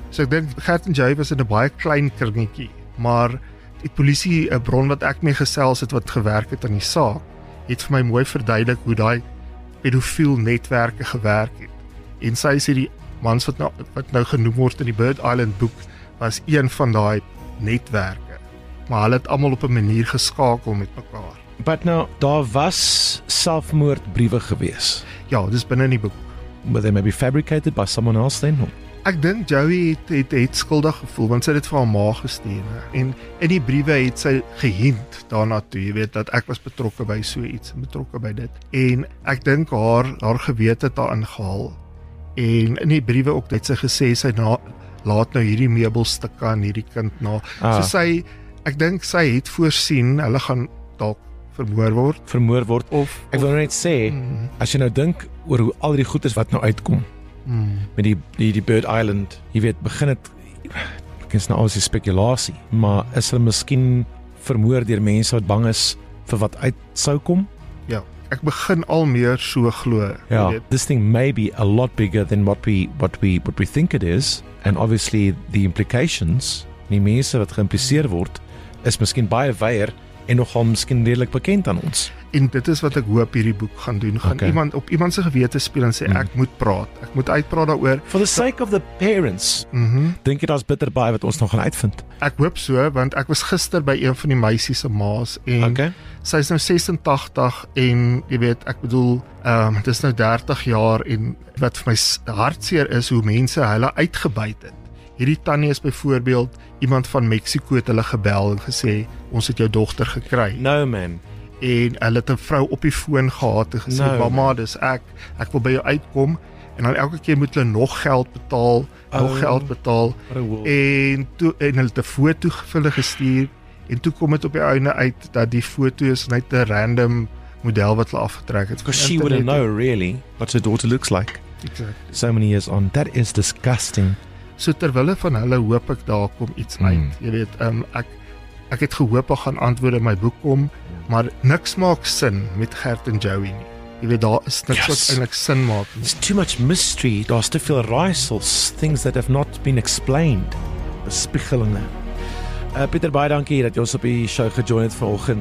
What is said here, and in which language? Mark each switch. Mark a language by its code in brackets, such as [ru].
[af] So ek denk, Gert en Joey was in 'n baie klein kringetjie, maar die polisie, 'n bron wat ek mee gesels het, wat gewerk het aan die saak, het vir my mooi verduidelik hoe die pedofiel netwerke gewerk het. En sy sê die mans wat nou genoem word in die Bird Island boek, was een van daai netwerke. Maar hulle het allemaal op 'n manier geskakel met mekaar. But nou, daar was selfmoordbriewe gewees. Ja, dis binne in die boek. [en] Were they maybe fabricated by someone else then? [af] Ek dink Joey het skuldig gevoel, want sy het vir haar ma gestuur. En in die briewe het sy gehint daarna toe, jy weet, dat ek was betrokke by so iets, betrokke by dit. En ek dink haar gewete het daar ingehaal. En in die briewe ook het sy gesê, sy laat nou hierdie meubelstukke aan hierdie kind na. So sy, ek dink sy het voorsien, hulle gaan dalk vermoor word. Of, ek wil nou net sê, as jy nou dink oor hoe al die goed is wat nou uitkom, met die Bird Island, jy weet, begin het, ek is nou alles die spekulasie, maar is hulle miskien vermoor deur mense wat bang is vir wat uit sou kom? Ja. Ek begin al meer so glo. [en] Ja, this thing may be a lot bigger than what we think it is. And obviously the implications, [af] die mense wat geïmpliseer word, is miskien baie weier en nogal miskien redelijk bekend aan ons. En dit is wat ek hoop hierdie boek gaan doen. Gaan okay. iemand op iemand se gewete speel en sê ek moet praat. Ek moet uitpraat daaroor. [en] For the sake of the parents. [af] Dink jy daar's bitter baie wat ons nog gaan uitvind? Ek hoop so, want ek was gister by een van die meisies se ma's en sy is nou 86 en jy weet, ek bedoel, dit is nou 30 jaar en wat vir my hartseer is hoe mense hulle uitgebuit het. Hierdie tannie is byvoorbeeld iemand van Mexico het hulle gebel en gesê ons het jou dogter gekry. [en] No man. [af] En hulle het 'n vrou op die foon gehad en gesê, mama, dis ek, ek wil by jou uitkom, en dan elke keer moet hulle nog geld betaal, en toe, en hulle het 'n foto vir hulle gestuur, en toe kom het op die einde uit, dat die foto is net 'n random model wat hulle afgetrek het. [en] Because she wouldn't know really what her daughter looks like. Exactly. So many years on, that is disgusting. [af] So terwille van hulle hoop ek daar kom iets uit, jy weet, ek het gehoop ek gaan antwoorde in my boek kom, maar niks maak sin met Gert en Joey nie. Jy weet, daar is niks wat eintlik sin maak nie. [en] It's too much mystery, [af] daar's te veel raaisels, [en] things that have not been explained, bespiegelinge. [af] Pieter, baie dankie dat jy ons op die show gejoin het vanoggend.